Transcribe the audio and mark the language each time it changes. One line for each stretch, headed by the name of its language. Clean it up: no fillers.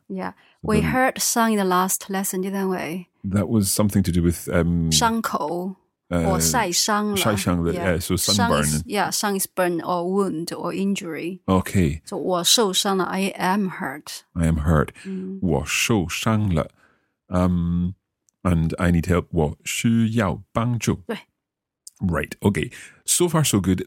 English: Yeah, we heard 伤 in the last lesson, didn't we? That was something to do with
Chinese: 伤口
English: or
Chinese: 晒伤了。晒伤了,
English: so sunburn. Yeah, 伤 is burn or wound or injury. Okay. So
Chinese: 我受伤了,
English: I am hurt. I am hurt.
Chinese: 我受伤了。
English: And I need help.
Chinese: 我需要帮助.
English: Right. Okay. So far, so good.